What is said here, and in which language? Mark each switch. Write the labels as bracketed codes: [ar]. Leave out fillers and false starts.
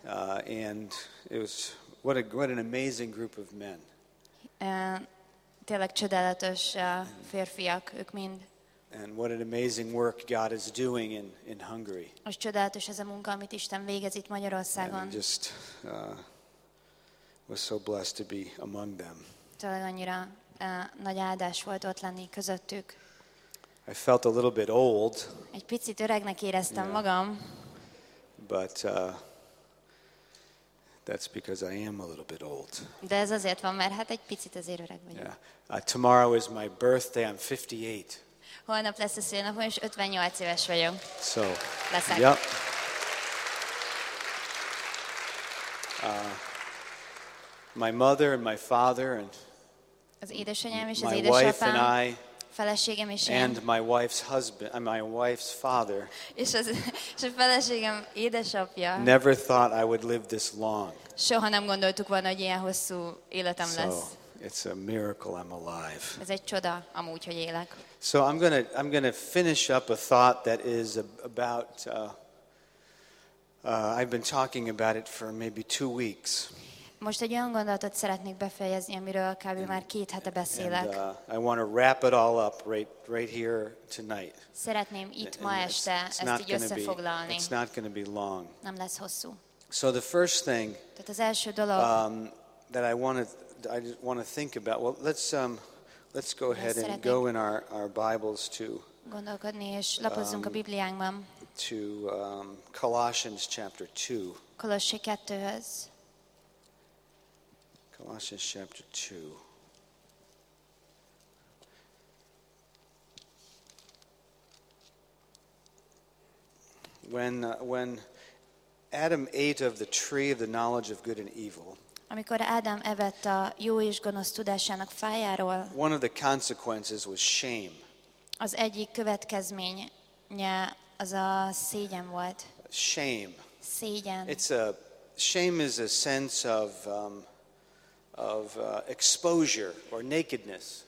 [en] And it was what an amazing group of men. [hu] Tényleg csodálatos férfiak, ők mind. [en] And what an amazing work God is doing in Hungary. [hu] Most csodálatos ez a munka, amit Isten végez itt Magyarországon. [en] And just was so blessed to be among them. [hu] Tényleg annyira nagy áldás volt ott lenni közöttük. [en] I felt a little bit old. [hu] Egy picit öregnek éreztem [en] yeah. [hu] magam. [en] But that's because I am a little bit old. [hu] De ez azért van, mert hát egy picit azért öreg vagyok. [en] Yeah. Tomorrow is my birthday. I'm 58. [hu] Holnap lesz a szülnapom, és 58 éves vagyok. [en] So. [hu] Leszek. [en] Yep. My mother and my father and [hu] az édesanyám és az édesapám. [en] My wife and I. [hu] Feleségem és én. [en] And my wife's husband, my wife's father. [hu] És az, és a feleségem édesapja. [en] Never thought I would live this long. [hu] Soha nem gondoltuk volna, hogy ilyen hosszú életem lesz. [en] So, it's a miracle I'm alive. [hu] Ez egy csoda, amúgy, hogy élek. [en] So I'm gonna finish up a thought that is about. I've been talking about it for maybe 2 weeks. [hu] Most egy olyan gondolatot szeretnék befejezni, amiről kb. Már két hete beszélek. [en] I want to wrap it all up right here tonight. [hu] Szeretném itt ma este ezt így összefoglalni. [en] It's not going to be long. [hu] Nem lesz hosszú. [en] So the first thing. [hu] Tehát az első dolog. [en] That I want to think about. Well, let's go ahead and go in our Bibles to. [hu] Gondolkodni és lapozzunk a Bibliánkban. [en] To Colossians chapter 2. [hu] Kolossi kettőhöz. [en] Colossians chapter 2. When Adam ate of the tree of the knowledge of good and evil. [hu] Amikor Ádám evett a jó és gonosz tudásának fájáról. [en] One of the consequences was shame. [hu] Az egyik következménye az a szégyen volt. [en] Shame. [hu] Szégyen. [en] Shame is a sense of exposure or nakedness.